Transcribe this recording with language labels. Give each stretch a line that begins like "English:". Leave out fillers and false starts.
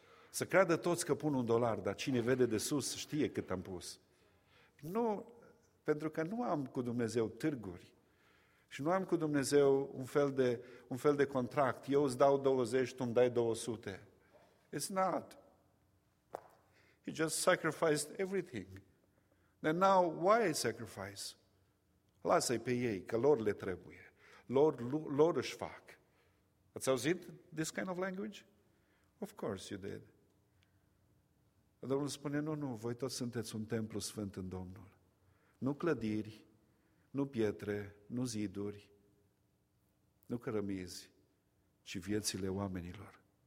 Romanian: Să creadă toți că pun un dolar, dar cine vede de sus știe cât am pus. Nu, pentru că nu am cu Dumnezeu târguri și nu am cu Dumnezeu un fel de contract. Eu îți dau 20, tu îmi dai 200.
English: It's not. He just sacrificed everything. Then now, why I sacrifice?
Romanian: Lasă-i pe ei, că lor le trebuie. Lor își fac. Ați auzit
English: this kind of language? Of course you did.
Romanian: Domnul spune, nu, voi toți sunteți un templu sfânt în Domnul. Nu clădiri, nu pietre, nu ziduri, nu cărămizi, ci viețile oamenilor.